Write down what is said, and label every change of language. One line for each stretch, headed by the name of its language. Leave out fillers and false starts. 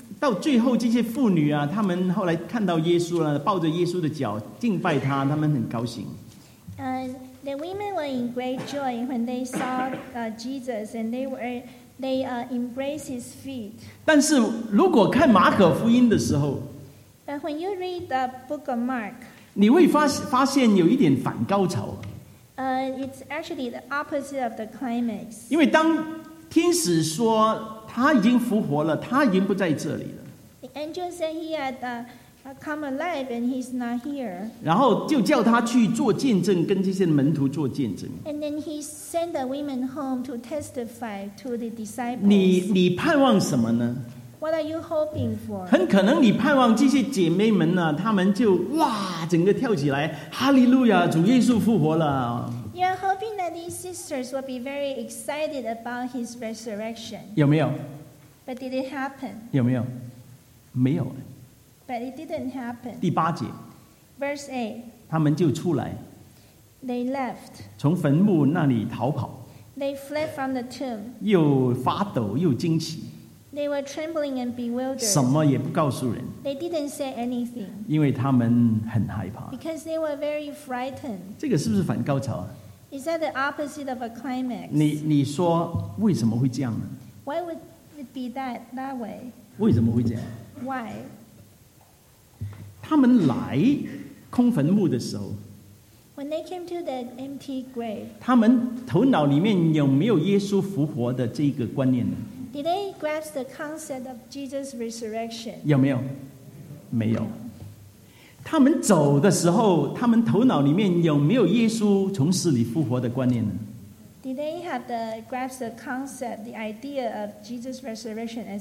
Chinese: 到最后这些妇女啊，他们后来看到耶稣了，抱着耶稣的脚敬拜他，他们很高兴。
English: The women were in great joy when they saw Jesus and they embraced his feet.
Chinese: 但是如果看马可福音的时候
English: But when you read the book of Mark,
Chinese: 你会发现有一点反高潮。
English: It's actually the opposite of the climax.
Chinese: 因为当天使说他已经复活了，他已经不在这里了。
English: The angel said he had come alive and he's not here.
Chinese: 然后就叫他去做见证，跟这些门徒做见证。
English: And then he sent the women home to testify to the disciples.
Chinese: 你盼望什么呢？
English: What are you hoping for?
Chinese: 很可能你盼望这些姐妹们呢，她们就哇，整个跳起来，哈利路亚，主耶稣复活了。
English: You are hoping that these sisters will be very excited about his resurrection.
Chinese: 有没有？
English: But did it happen?
Chinese: 有没有？没有。
English: But it didn't happen.
Chinese: 第八节。
English: Verse 8.
Chinese: 他们就出来。
English: They left.
Chinese: 从坟墓那里逃跑。
English: They fled from the tomb.
Chinese: 又发抖又惊奇。
English: They were trembling and bewildered.
Chinese: 什么也不告诉人,
English: they didn't say anything.
Chinese: 因为他们很害怕,
English: because they were very frightened.
Chinese: 这个是不是反高潮啊?
English: Is that the opposite of a climax?
Chinese: 你说为什么会这样呢?
English: Why would it be that way?
Chinese: 为什么会这样?
English: Why?
Chinese: 他们来空坟墓的时候,
English: when they came to the empty grave,
Chinese: 他们头脑里面有没有耶稣复活的这个观念呢?
English: Did they grasp the concept of Jesus' resurrection?
Chinese: 有没有?没有。他们走的时候, 他们头脑里面有没有耶稣从死里复活的观念呢?
English: Did they have the grasp the concept, the idea of Jesus' resurrection as